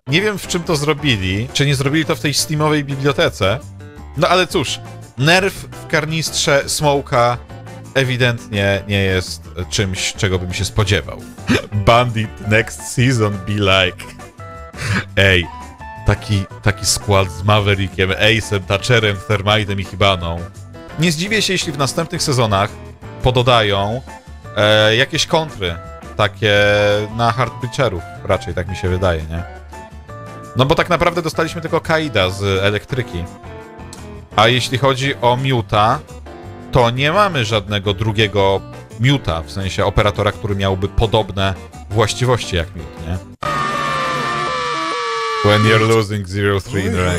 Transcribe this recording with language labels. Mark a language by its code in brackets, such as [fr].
[pl] Nie wiem, w czym to zrobili. Czy nie zrobili to w tej Steamowej bibliotece? No ale cóż, nerf w karnistrze Smoke'a ewidentnie nie jest czymś, czego bym się spodziewał. [en] Bandit next season be like. [pl] Ej, taki skład z Maverickiem, Ace'em, Thatcherem, Thermite'em i Hibaną. Nie zdziwię się, jeśli w następnych sezonach pododają jakieś kontry. Takie na Hardbreacherów, raczej tak mi się wydaje, nie? No bo tak naprawdę dostaliśmy tylko Kaida z elektryki. A jeśli chodzi o Mute'a, to nie mamy żadnego drugiego Mute'a, w sensie operatora, który miałby podobne właściwości jak Mute, nie? [en] When you're losing 0-3 in rank.